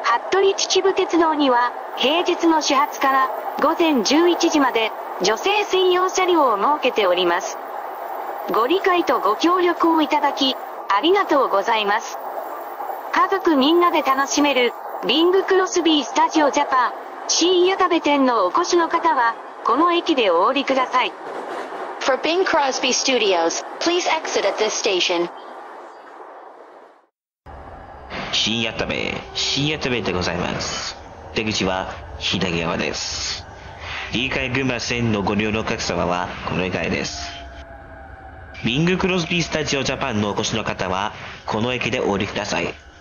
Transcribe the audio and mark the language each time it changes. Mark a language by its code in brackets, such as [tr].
[ja] 服部秩父鉄道には平日の始発から午前11時まで女性専用車両を設けております。ご理解とご協力をいただきありがとうございます。家族みんなで楽しめるリングクロスビースタジオジャパン新矢田部店のお越しの方はこの駅でお降りください。 [en] For Bing Crosby Studios, please exit at this station. [ja] 新屋田部でございます。出口は左側です。臨海群馬線のご利用のお客様はこの駅です。リングクロスビースタジオジャパンのお越しの方はこの駅でお降りください。